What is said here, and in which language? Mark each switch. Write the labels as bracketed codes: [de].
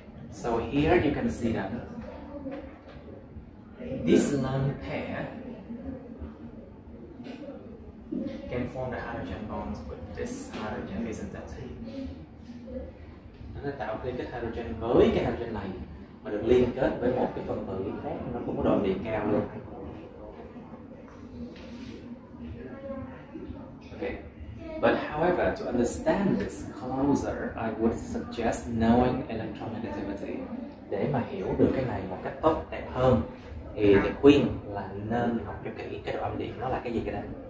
[en] So here you can see that this lone pair can form the hydrogen bond with this hydrogen, isn't it? [vi] Nó tạo liên kết hydrogen với cái hydrogen này mà được liên kết với một cái phần tử khác, nó cũng có độ điện cao luôn. [en] But however, to understand this closer, I would suggest knowing electronegativity. [vi] Để mà hiểu được cái này một cách tốt đẹp hơn, thì thầy khuyên là nên học cho kỹ cái độ âm điện nó là cái gì cái đấy.